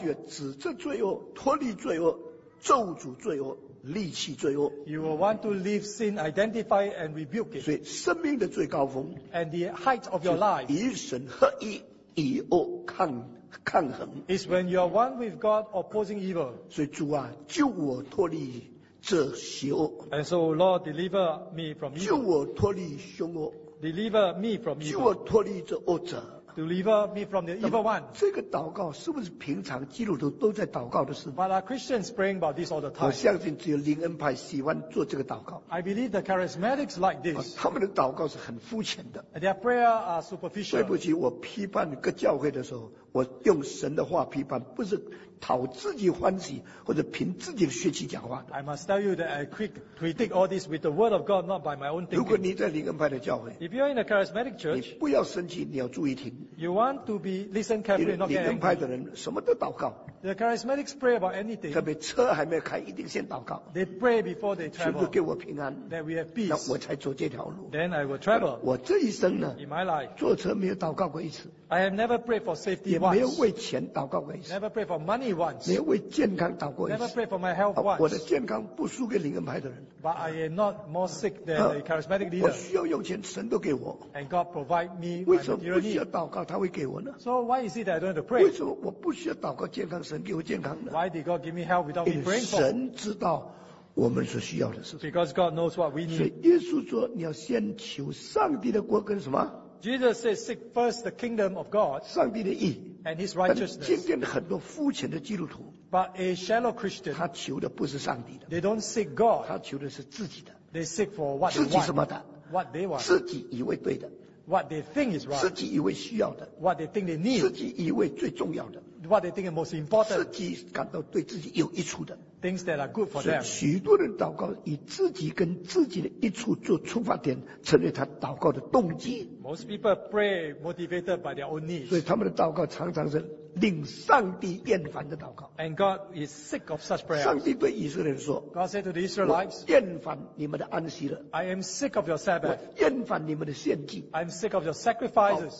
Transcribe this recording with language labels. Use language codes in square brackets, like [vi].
[zh] 你就要指着罪恶，脱离罪恶，咒诅罪恶，戾气罪恶。 [en] You will want to leave sin, identify and rebuke it. [zh] 所以生命的最高峰， [en] and the height of your life, [zh] 与神合一，与恶抗衡。 [en] Is when you are one with God, opposing evil. [zh] 所以主啊，救我脱离这邪恶。 [en] And so Lord, deliver me from evil. [zh] 救我脱离凶恶。 [en] Deliver me from evil. [zh] 救我脱离这恶者。 [en] Deliver me from the evil one. [zh] 这个祷告是不是平常基督徒都在祷告的事？ [en] But are Christians praying about this all the time? [zh] 我相信只有灵恩派喜欢做这个祷告。 [en] I believe the charismatics like this. [zh] 他们的祷告是很肤浅的。 [en] And their prayer are superficial. [zh] 对不起，我批判各教会的时候，我用神的话批判，不是讨自己欢喜或者凭自己的血气讲话的。 [en] I must tell you that I predict all this with the word of God, not by my own thinking. [zh] 如果你在灵恩派的教会， [en] If you are in a charismatic church, [zh] 你不要生气，你要注意听。 [en] You want to be listen carefully, not get angry. [zh] 灵恩派的人什么都祷告。 [en] The charismatics pray about anything. [zh] 特别车还没有开，一定先祷告。 [en] They pray before they travel. [zh] 求主给我平安。 [en] That we have peace. [zh] 那我才走这条路。 [en] Then I will travel. [zh] 我这一生呢， [en] in my life, [zh] 坐车没有祷告过一次。 [en] I have never prayed for safety once. [zh] 也没有为钱祷告过一次。 [en] Never prayed for money once. [zh] 没有为健康祷告一次。 [en] Never prayed for my health once. [zh] 我的健康不输给灵恩派的人。 [en] But I am not more sick than the charismatic leader. [zh] 我需要用钱，神都给我。 [en] And God provide me. [zh] 为什么不需要祷告他会给我呢？ [en] So why is it that I don't have to pray? [zh] 为什么我不需要祷告健康神给我健康呢？ [en] Why did God give me health without me praying for? [zh] 神知道我们所需要的是。 [en] Because God knows what we need. [zh] 所以耶稣说，你要先求上帝的国跟什么？ [en] Jesus says, seek first the kingdom of God, [zh] 上帝的义, [en] and his righteousness. [zh] 今天很多肤浅的基督徒, [en] but a shallow Christian, [zh] 他求的不是上帝的, [en] they don't seek God, [zh] 他求的是自己的, [en] they seek for what they want, [zh] 自己什么的, [en] what they want, [zh] 自己以为对的, [en] what they think is right, [zh] 自己以为需要的, [en] what they think they need, [zh] 自己以为最重要的, [en] what they think is most important, [zh] 自己感到对自己有益处的, [en] things that are good for them. [zh] 所以许多人祷告以自己跟自己的益处做出发点，成为他祷告的动机。 [en] Most people pray motivated by their own needs. [zh] 所以他们的祷告常常是令上帝厌烦的祷告。 [en] And God is sick of such prayers. [zh] 上帝对以色列人说， [en] God said to the Israelites, [zh] 我厌烦你们的安息了。 [en] I am sick of your Sabbath. [zh] 我厌烦你们的献祭。 [en] I am sick of your sacrifices.